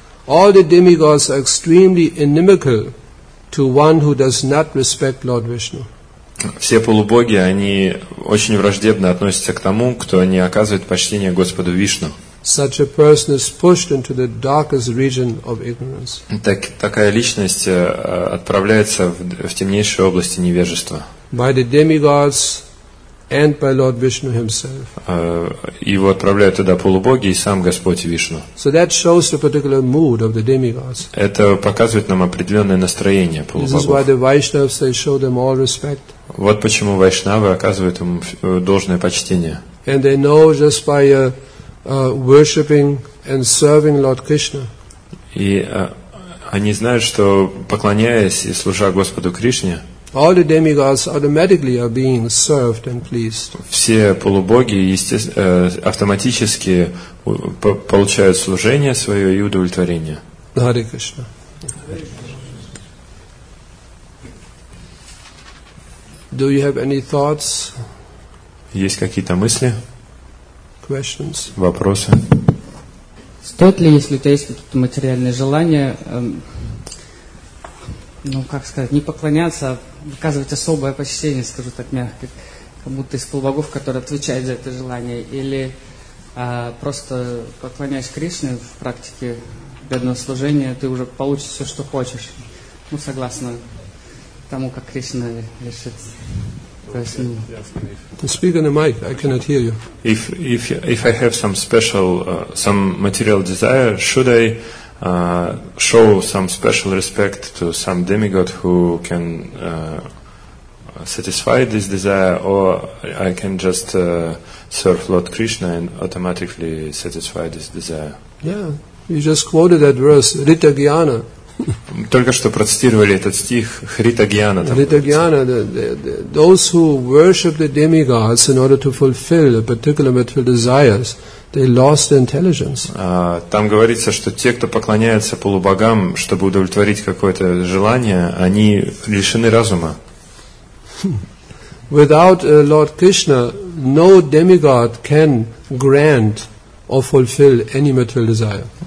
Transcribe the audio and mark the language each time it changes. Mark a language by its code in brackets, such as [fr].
[en] All the demigods are extremely inimical to one who does not respect Lord Vishnu. [ru] Все полубоги, они очень враждебно относятся к тому, кто не оказывает почтения Господу Вишну. [en] Such a person is pushed into the darkest region of ignorance. [ru] Такая личность отправляется в темнейшие области невежества. [en] By the demigods and by Lord Vishnu himself. [ru] Его отправляют туда полубоги и сам Господь Вишну. [en] So that shows the particular mood of the demigods. [ru] Это показывает нам определенное настроение полубогов. [en] This is why the Vaishnavas, they show them all respect. [ru] Вот почему вайшнавы оказывают им должное почтение. [en] And they know just by worshiping and serving Lord Krishna. [ru] И они знают, что поклоняясь и служа Господу Кришне, [en] all the demigods automatically are being served and pleased. [ru] Все полубоги автоматически получают служение свое и удовлетворение. [en] Hare Krishna. Do you have any thoughts? [ru] Есть какие-то мысли? [en] Questions? [ru] Вопросы? Стоит ли, если у тебя есть какие-то материальные желания, ну, как сказать, не поклоняться, а выказывать особое почтение, скажу так мягко, как будто из полубогов, который отвечает за это желание, или просто поклоняясь Кришне в практике бедного служения, ты уже получишь все, что хочешь, ну, согласно тому, как Кришна решит. То есть, ну... [en] Speak on the mic, I cannot hear you. If I have some special, some material desire, should I show some special respect to some demigod who can satisfy this desire, or I can just serve Lord Krishna and automatically satisfy this desire. Yeah, you just quoted that verse, Rita Gyana. [ru] Только что процитировали этот стих, Хрита Гьяна. [en] Хрита Гьяна, those who worship the demigods in order to fulfill a particular material desires, they lost intelligence. [ru] Там говорится, что те, кто поклоняется полубогам, чтобы удовлетворить какое-то желание, они лишены разума. [en] Without Lord Krishna, no demigod can grant or fulfill any material desire.